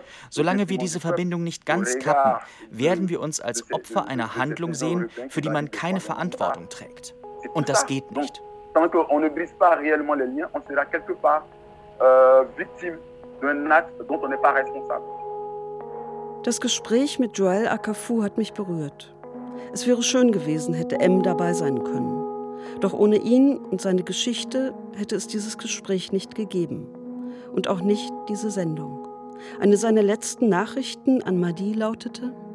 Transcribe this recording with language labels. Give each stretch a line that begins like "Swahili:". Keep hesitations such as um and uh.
German: Solange wir diese Verbindung nicht ganz kappen, werden wir uns als Opfer einer Handlung sehen, für die man keine Verantwortung trägt. Und das geht nicht
French: tant qu'on ne brise pas réellement les liens, on sera quelque part victime d'un acte dont on n'est pas responsable.
German: Das Gespräch mit Joel Akafu hat mich berührt. Es wäre schön gewesen, hätte M dabei sein können. Doch ohne ihn und seine Geschichte hätte es dieses Gespräch nicht gegeben. Und auch nicht diese Sendung. Eine seiner letzten Nachrichten an Madi lautete: